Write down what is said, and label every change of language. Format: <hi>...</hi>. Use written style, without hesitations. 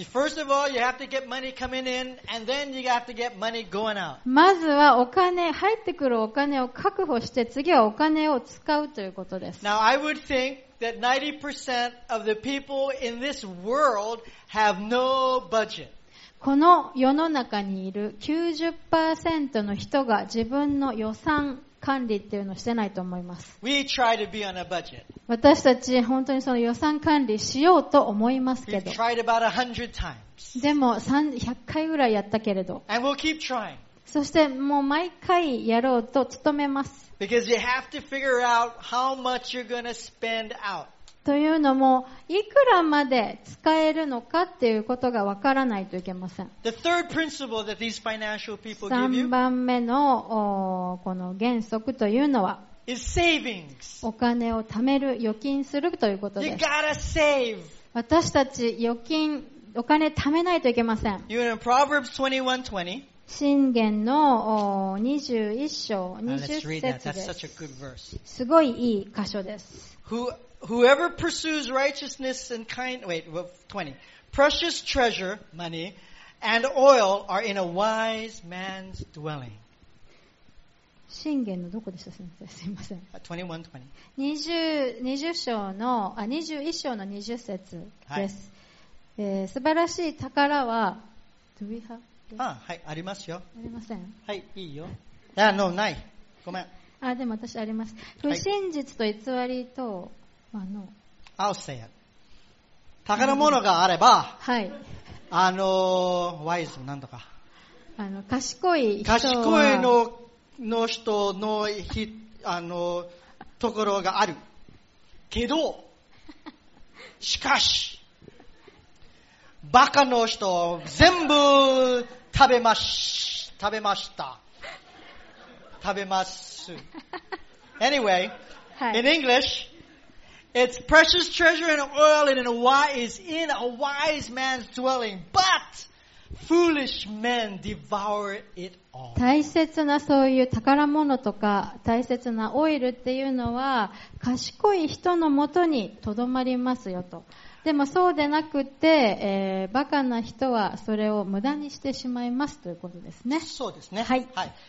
<en>First of all, you have to get money coming in, and then you have to get money going out.</en> <ja>まずはお金、入ってくるお金を確保して、次はお金を使うということです。</ja> <en>Now, I would think that 90% of the people in this world have no budget.</en> <ja>この世の中にいる 90% の人が自分の予算、管理っていうのをしてないと思います。</ja> <en>We try to be on a budget.</en> <ja>私たち本当にその予算管理しようと思いますけど。</ja> <en>We've tried about 100 times.</en> <ja>でも100回ぐらいやったけれど。</ja> <en>And we'll keep trying.</en> <ja>そしてもう毎回やろうと努めます。</ja> <en>Because you have to figure out how much you're going to spend out.</en> <ja>というのも、いくらまで使えるのかっていうことが分からないといけません。 3 番目のこの原則というのは、</ja> <en>is savings.</en> <ja>お金を貯める、預金するということです。</ja> <en>You gotta save.</en> <ja>私たち預金、お金貯めないといけません。</ja> <en>You're in Proverbs 21:20.</en> <ja>箴言の21章20節です。</ja> <en>Such a good verse.</en> <ja>すごいいい箇所です。</ja> <en>Whoever pursues righteousness and precious treasure, money, and oil are in a wise man's dwelling.</en> <ja>箴言のどこでした先生？すみません。 21 章の20節です。はい素晴らしい宝は、はい、ありますよ。ありません。はい、いいよ。あ、no, ない。ごめん。あ、でも私あります。不真実と偽りと、はい、あ、</ja> <en>no. I'll say it.</en> <ja>宝物があれば、はい。ワイズ、なんとか。賢い人は。賢いの、の人のひ、ところがある。けど、しかし、バカの人を全部食べました。食べます。Anyway,、はい、</ja> <en>in English, it's precious treasure and oil in a wise, in a wise man's dwelling, but foolish men devour it all.</en> <ja>大切なそういう宝物とか大切なオイルっていうのは賢い人のもとにとどまりますよと。でもそうでなくて、バカな人はそれを無駄にしてしまいますということですね。そうですね。はい。はい、</ja>